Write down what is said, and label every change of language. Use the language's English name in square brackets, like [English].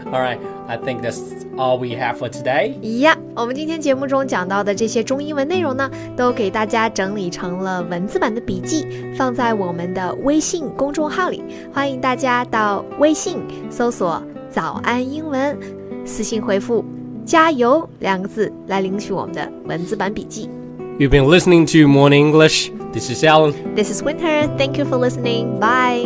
[English] All right, I think that's all we have for today. [Chinese] Yeah, 我们今天节目中讲到的这些中英文内容呢都给大家整理成了文字版的笔记放在我们的微信公众号里。欢迎大家到微信搜索早安英文私信回复加油两个字来领取我们的文字版笔记。 [English] You've been listening to Morning English. This is Alan. This is Winter. Thank you for listening. Bye.